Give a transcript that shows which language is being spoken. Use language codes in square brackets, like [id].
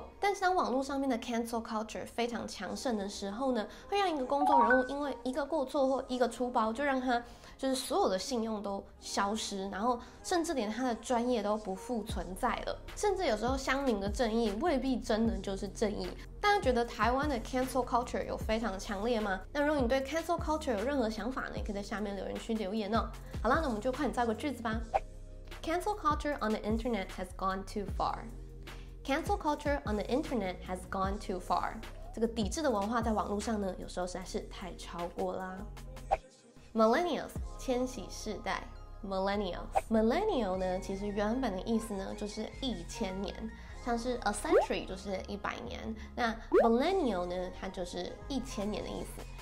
[zh] 但是当网络上面的 cancel culture 非常强盛的时候呢，会让一个公众人物因为一个过错或一个粗包，就让他就是所有的信用都消失，然后甚至连他的专业都不复存在了。甚至有时候乡民的正义未必真的就是正义。大家觉得台湾的 cancel culture 有非常强烈吗？那如果你对 cancel culture 有任何想法呢，也可以在下面留言区留言哦。好啦，那我们就快点造个句子吧。 [en] Cancel culture on the internet has gone too far. Cancel culture on the internet has gone too far. [zh] 这个抵制的文化在网络上呢，有时候实在是太超过啦。 Millennials 千禧世代 ，Millennial 呢，其实原本的意思呢就是一千年，像是 a century 就是一百年，那 millennial 呢，它就是一千年的意思。